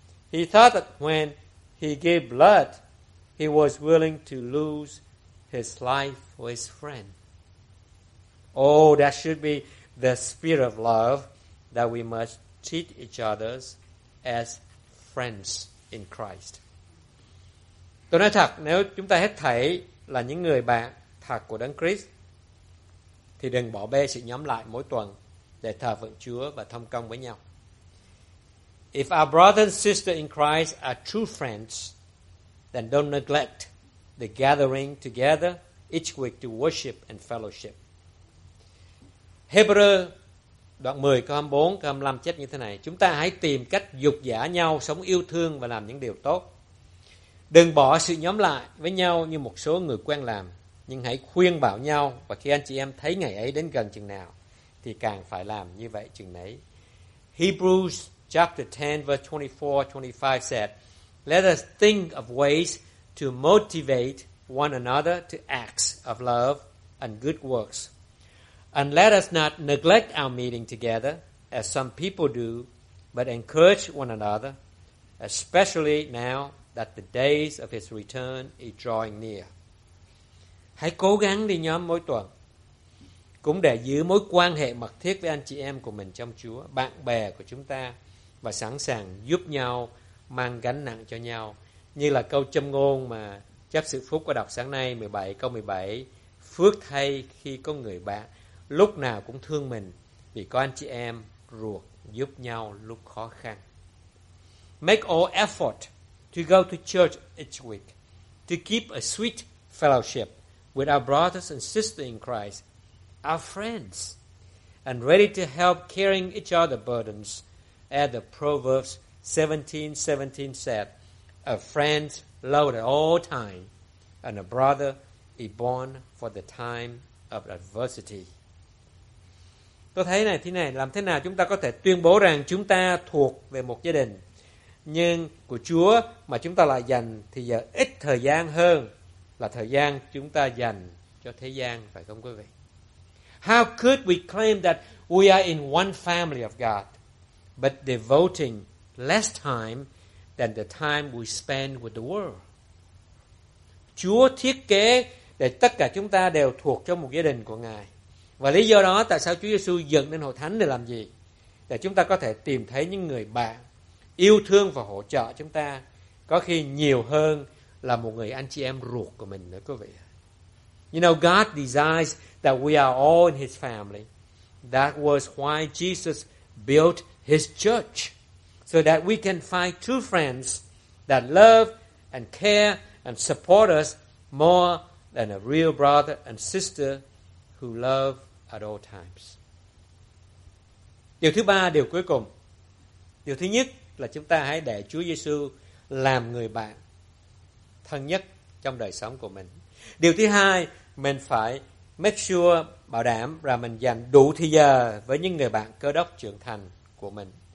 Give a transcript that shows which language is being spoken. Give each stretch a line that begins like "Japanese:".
English: He thought that when he gave blood, he was willing to lose his life for his friend. Oh, that should be the spirit of love, that we must treat each other as friends in Christ.
Vietnamese: Tôi nói thật, nếu chúng ta hết thảy là những người bạn thật của Đấng Christ, thì đừng bỏ bê sự nhóm lại mỗi tuần để thờ phượng Chúa và thông công với nhau.
English: If our brother and sister in Christ are true friends, then don't neglect the gathering together each week to worship and fellowship.
Vietnamese: Hebrew đoạn 10 câu 24 câu 25 chép như thế này: chúng ta hãy tìm cách dục dã nhau, sống yêu thương và làm những điều tốt. Đừng bỏ sự nhóm lại với nhau như một số người quen làm, nhưng hãy khuyên bảo nhau, và khi anh chị em thấy ngày ấy đến gần chừng nào thì càng phải làm như vậy chừng nấy.
English: Hebrews chapter 10 verse 24-25 said, "Let us think of ways to motivate one another to acts of love and good works. And let us not neglect our meeting together, as some people do, but encourage one another, especially now that the days of his return is drawing near."
Vietnamese: Hãy cố gắng đi nhóm mỗi tuần, cũng để giữ mối quan hệ mật thiết với anh chị em của mình trong Chúa, bạn bè của chúng ta, và sẵn sàng giúp nhau, mang gánh nặng cho nhau. Như là câu châm ngôn mà chép sự phúc có đọc sáng nay, 17 câu 17: "Phước thay khi có người bạn lúc nào cũng thương mình, vì có anh chị em ruột giúp nhau lúc khó khăn."
English: Make all effort to go to church each week to keep a sweet fellowship with our brothers and sisters in Christ, our friends, and ready to help carrying each other burdens, as the Proverbs 17:17 said, "A friend loved at all time, and a brother is born for the time of adversity."
Vietnamese: Tôi thấy này, thế này, làm thế nào chúng ta có thể tuyên bố rằng chúng ta thuộc về một gia đình nhưng của Chúa, mà chúng ta lại dành thì giờ ít thời gian hơn là thời gian chúng ta dành cho thế gian, phải không quý vị?
English: How could we claim that we are in one family of God, but devoting less time than the time we spend with the world?
Vietnamese: Chúa thiết kế để tất cả chúng ta đều thuộc trong một gia đình của Ngài. Và lý do đó tại sao Chúa Giêsu dựng nên hội thánh để làm gì? Để chúng ta có thể tìm thấy những người bạn yêu thương và hỗ trợ chúng ta, có khi nhiều hơn là một người anh chị em ruột của mình nữa quý vị.
English: You know, God desires that we are all in his family. That was why Jesus built his church, so that we can find true friends that love and care and support us more than a real brother and sister who love at all times.
Vietnamese: Điều thứ ba, điều cuối cùng. Điều thứ nhất là chúng ta hãy để Chúa Giêsu làm người bạn thân nhất trong đời sống của mình. Điều thứ hai, mình phải
English: make sure,
Vietnamese: bảo đảm là mình dành đủ thời giờ với những người bạn cơ đốc trưởng thành của mình.